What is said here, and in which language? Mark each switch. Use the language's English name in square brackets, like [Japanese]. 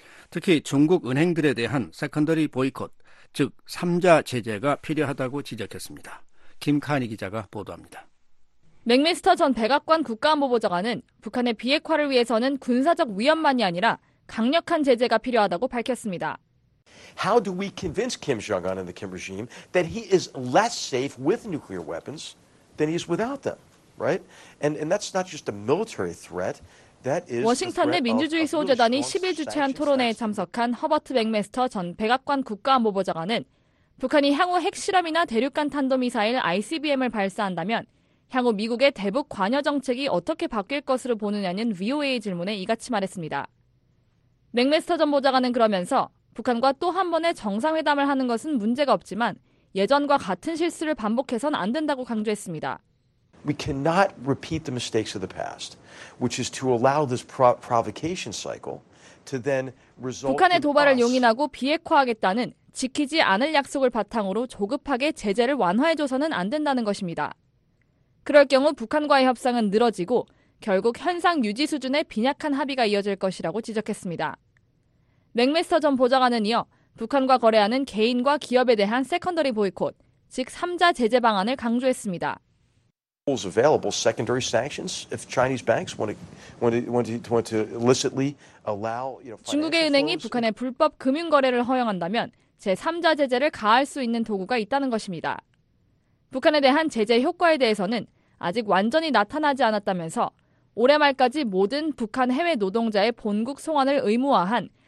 [Korean] 특히 중국 은행들에 대한 세컨더리 보이콧, 즉 3자 제재가 필요하다고 지적했습니다. 김카니 기자가 보도합니다. 맥메스터 전 백악관 국가안보보좌관은 북한의 비핵화를 위해서는 군사적 위협만이 아니라 강력한 제재가 필요하다고 밝혔습니다. [English] How do we convince Kim Jong-un and the Kim regime that he is less safe with nuclear weapons than he is without them, right? And that's not just a military threat. [Korean] 워싱턴 내 민주주의 수호재단이 10일 주최한 토론회에 참석한 허버트 맥메스터 전 백악관 국가안보보좌관은 북한이 향후 핵실험이나 대륙간 탄도미사일 ICBM을 발사한다면 향후 미국의 대북 관여 정책이 어떻게 바뀔 것으로 보느냐는 VOA 질문에 이같이 말했습니다. 맥메스터 전 보좌관은 그러면서 북한과 또 한 번의 정상회담을 하는 것은 문제가 없지만 예전과 같은 실수를 반복해서는 안 된다고 강조했습니다. [English] We cannot repeat the mistakes of the past, which is to allow this provocation cycle to then result. [Korean] 북한의 도발을 용인하고 비핵화하겠다는 지키지 않을 약속을 바탕으로 조급하게 제재를 완화해줘서는 안 된다는 것입니다. 그럴 경우 북한과의 협상은 늘어지고 결국 현상 유지 수준의 빈약한 합의가 이어질 것이라고 지적했습니다. 맥메스터 전 보좌관은 이어 북한과 거래하는 개인과 기업에 대한 세컨더리 보이콧, 즉 3자 제재 방안을 강조했습니다. [English] Tools available, secondary sanctions. If Chinese banks want to illicitly allow, you know, [Korean] 중국의 은행이 북한에 불법 금융 거래를 허용한다면 제3자 제재를 가할 수 있는 도구가 있다는 것입니다. 북한에 대한 제재 효과에 대해서는 아직 완전히 나타나지 않았다면서 올해 말까지 모든 북한 해외 노동자의 본국 송환을 의무화한